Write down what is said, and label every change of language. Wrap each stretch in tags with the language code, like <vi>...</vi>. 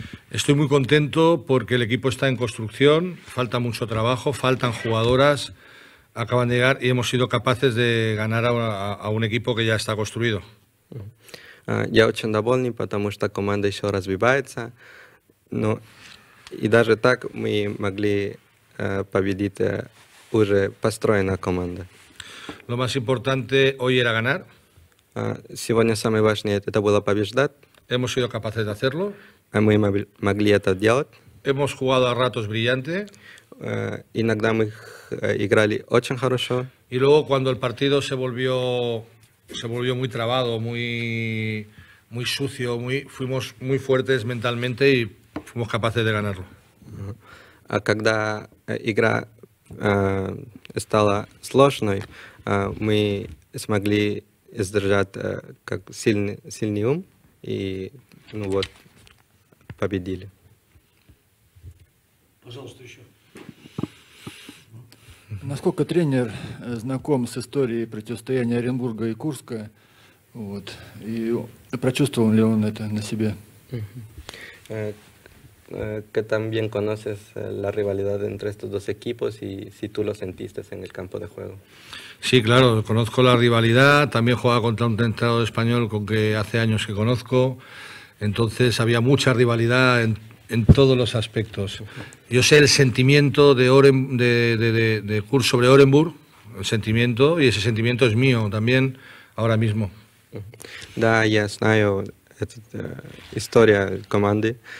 <es>Estoy muy contento porque el equipo está en construcción, falta mucho trabajo, faltan jugadoras, acaban de llegar y hemos sido capaces de ganar a un equipo que ya está construido.</es> <ru>Я очень доволен, потому что команда еще развивается, но и даже так мы могли победить уже построенную команду.</ru> <es>Lo más importante hoy era ganar.</es> <ru>Сегодня самое важное это было побеждать.</ru> <es>Hemos sido capaces de hacerlo.</es> <ru>Мы могли это делать.</ru> <es>Hemos jugado a ratos brillante.</es> <ru>Иногда мы играли очень хорошо.</ru> <es>Y luego cuando el partido se volvió muy trabado, muy sucio, fuimos muy fuertes mentalmente y fuimos capaces de ganarlo.</es> <ru>А когда игра стала сложной, мы смогли сдержать как сильный ум, и ну вот, победили. Пожалуйста, еще. Насколько тренер знаком с историей противостояния Оренбурга и Курска? Вот, и прочувствовал ли он это на себе?</ru> <es>Que también conoces la rivalidad entre estos dos equipos y si tú lo sentiste en el campo de juego. Sí, claro, conozco la rivalidad. También jugaba contra un entrenador español con que hace años que conozco. Entonces había mucha rivalidad en todos los aspectos. Yo sé el sentimiento de Kurs sobre Orenburg, el sentimiento, y ese sentimiento es mío también ahora mismo.</es> <ru>Да, я знаю эту историю команды.</ru>